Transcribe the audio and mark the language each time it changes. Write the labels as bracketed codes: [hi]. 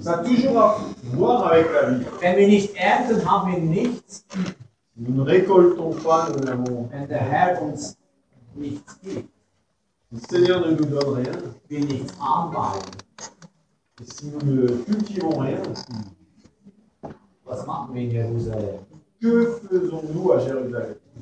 [fr] Ça a toujours à voir avec la vie. [de] Wenn wir nicht ernten, haben wir nichts. [fr] Nous ne récoltons pas, nous n'avons rien. [de] Wenn der Herr uns nichts gibt, [fr] le Seigneur ne nous donne rien. [de] Wir nichts anbauen. [fr] Et si nous ne cultivons rien, [de] was machen wir in Jerusalem? [fr] Que faisons-nous à Jérusalem?